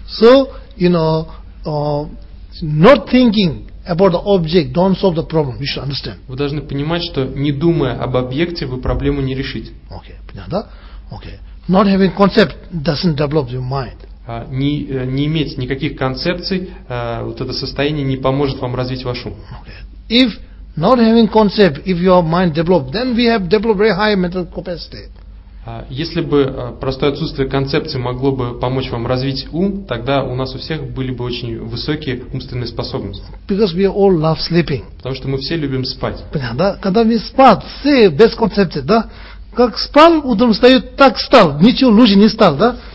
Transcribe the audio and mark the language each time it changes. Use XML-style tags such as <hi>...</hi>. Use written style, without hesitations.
<en>So, you know, not thinking about the object, don't solve the problem. You should understand.</en> <ru>Вы должны понимать, что не думая об объекте, вы проблему не решите.</ru> <en>Okay,</en> <ru>понятно, да?</ru> <en>Okay. Not having concept doesn't develop your mind.</en> <ru>Не иметь никаких концепций, вот это состояние не поможет вам развить ваш ум.</ru> <en>Okay. If not having concept, if your mind develops, then we have developed very high mental capacity.</en> <ru>Если бы простое отсутствие концепции могло бы помочь вам развить ум, тогда у нас у всех были бы очень высокие умственные способности.</ru> <en>Because we all love sleeping.</en> <ru>Потому что мы все любим спать. Понятно, да? Когда мы спать, все без концепции, да? Как спал, утром встает, так стал, ничего лучше не стал, да?</ru>